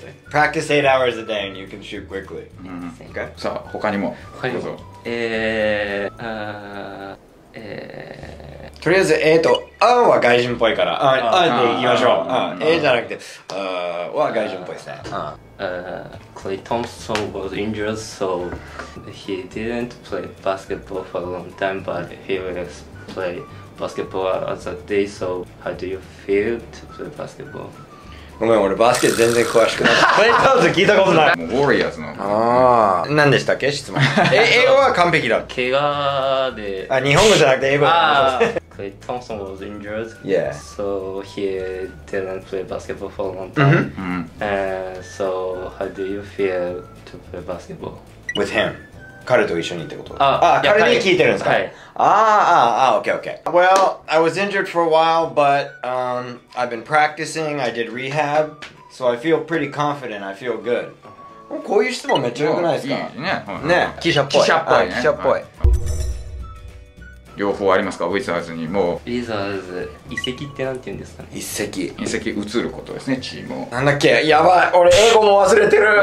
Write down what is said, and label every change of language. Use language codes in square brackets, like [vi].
[en] Practice 8 hours a day and you can shoot quickly. [ja] Okay. さあ、他にも。はい。どうぞ。とりあえず A と A は外人っぽいから、A で行きましょう。 A じゃなくて、は外人っぽいですね。 [en] Klay Thompson was injured, so he didn't play basketball for a long time, but he was play basketball at that day, so how do you feel to play basketball? [ja] ごめん、俺バスケ全然詳しくない。 Klay Thompson 聞いたことない。もうウォリアーズの。ああ、何でしたっけ質問。英語は完璧だ。怪我で。あ、日本語じゃなくて英語。 [en] Klay Thompson was injured, yeah. So he didn't play basketball for a long time. Mm-hmm. So how do you feel to play basketball with him? [ja] 彼と一緒にってこと。ああ、彼に聞いてるんですか。はい。 [en] Okay. Well, I was injured for a while, but I've been practicing. I did rehab, so I feel pretty confident. I feel good. [ja] こういう質問めっちゃ良くないですか。いいね。ね、記者っぽい。記者っぽい。記者っぽい。両方ありますか、ウィザーズにも。ウィザーズ、移籍ってなんて言うんですかね。移籍。移籍移ることですね、チームを。なんだっけ、やばい、俺英語も忘れてる。